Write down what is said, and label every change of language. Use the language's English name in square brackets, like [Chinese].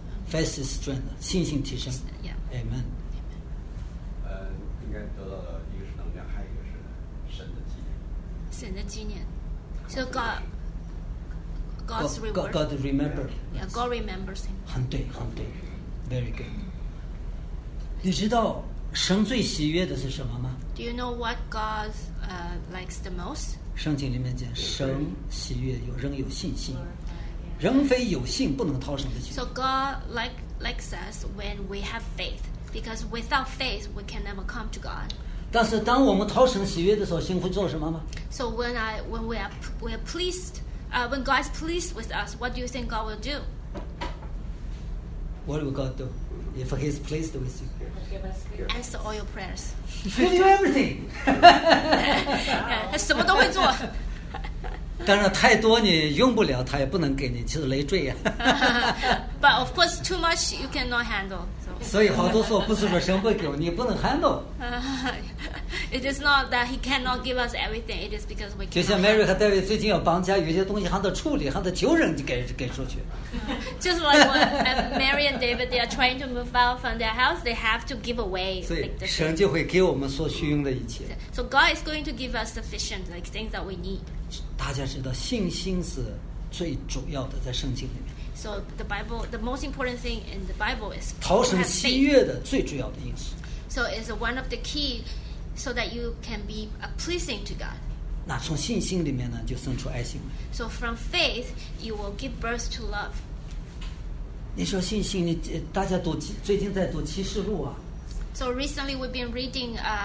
[English] Faith is strength, [Chinese] 信心提升。 [English] Yeah. Amen. [Chinese] 应该得到的一个是能量，还有一个是神的纪念。神的纪念。 [English] So God's reward. God remembers. Yeah, God remembers him. [Chinese] 很对，很对 ， [English] very good. [Chinese] 你知道神最喜悦的是什么吗 [English] ？Do you know what God likes the most? [Chinese] 圣经里面讲，神喜悦有人有信心，人非有信不能讨神的喜悦。 [English] So God likes us when we have faith, because without faith we can never come to God. [Chinese] 但是当我们讨神喜悦的时候，心会做什么吗 [English] ？So when we are pleased, when God is pleased with us, what do you think God will do? What will God do if He is pleased with you? Answer all your prayers. Give you everything. [Chinese] 什么都会做。当然，太多你用不了，他也不能给你，就是累赘呀。 [English] But of course, too much you cannot handle. So. [Chinese] 所以好多时候不是说神不给我，你不能 handle. [English] It is not that he cannot give us everything. It is because we. [Chinese] 就像 Mary 和 David 最近要搬家，有些东西还得处理，还得求人给出去。 [English] Just like when Mary and David, they are trying to move out from their house. They have to give away. [Chinese] 所以神就会给我们所需用的一切。 [English] So God is going to give us sufficient like things that we need. [Chinese] 大家知道信心是最主要的在圣经里面 [English] So the Bible The most important thing in the Bible is [Chinese] 讨神喜悦的最主要的因素 [English] So it's one of the key So that you can be a pleasing to God [Chinese] 那从信心里面呢就生出爱心 [English] So from faith You will give birth to love [Chinese] 你说信心你大家读最近在读启示录啊 [English] So recently we've been reading